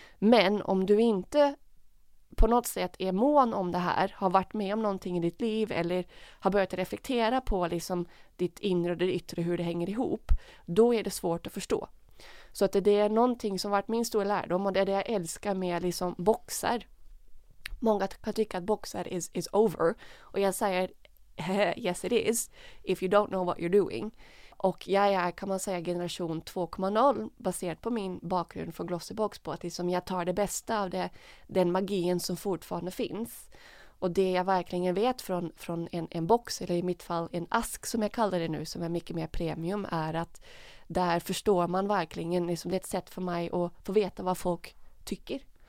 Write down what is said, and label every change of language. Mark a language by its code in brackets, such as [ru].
[sv] Men om du inte på något sätt är mån om det här, har varit med om någonting i ditt liv eller har börjat reflektera på liksom ditt inre och det yttre, hur det hänger ihop, då är det svårt att förstå. Så att det är någonting som varit min stora lärdom och det är det jag älskar med liksom boxar. Många kan tycka att boxar [en] is over. [sv] Och jag säger, [en] yes it is, if you don't know what you're doing. [sv] Och jag är, kan man säga, generation 2.0 baserat på min bakgrund från Glossybox på att liksom jag tar det bästa av det, den magin som fortfarande finns. Och det jag verkligen vet från en box, eller i mitt fall en ask som jag kallar det nu, som är mycket mer premium, är att där förstår man verkligen, liksom det är ett sätt för mig att få veta vad folk tycker.